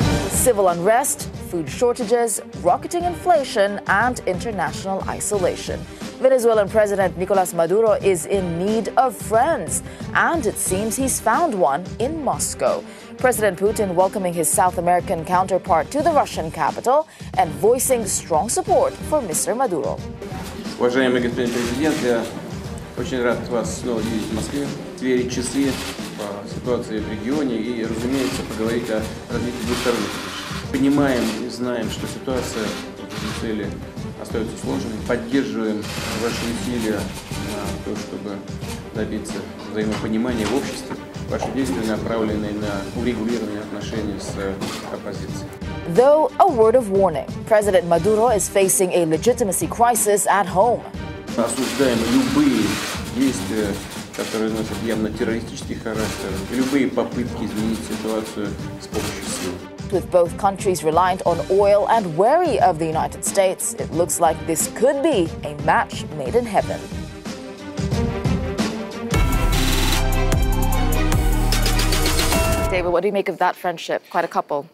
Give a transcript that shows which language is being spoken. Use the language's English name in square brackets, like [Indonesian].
[English] Civil unrest, food shortages, rocketing inflation, and international isolation. Venezuelan President Nicolas Maduro is in need of friends, and it seems he's found one in Moscow. President Putin welcoming his South American counterpart to the Russian capital and voicing strong support for Mr. Maduro. [Russian] Уважаемый господин президент, я очень рад вас снова видеть в Москве. Сверить часы по ситуации в регионе и, разумеется, поговорить о развитии двух сторон. Понимаем и знаем, что ситуация в Венесуэле остается сложной. Поддерживаем ваши усилия на то, чтобы добиться взаимопонимания в обществе. Ваши действия направлены на урегулирование отношений с оппозицией. [English] Though a word of warning, President Maduro is facing a legitimacy crisis at home. [Russian] Осуждаем любые действия, которые носят явно террористический характер, любые попытки изменить ситуацию с помощью сил. [English] With both countries reliant on oil and wary of the United States, it looks like this could be a match made in heaven. David, what do you make of that friendship? Quite a couple.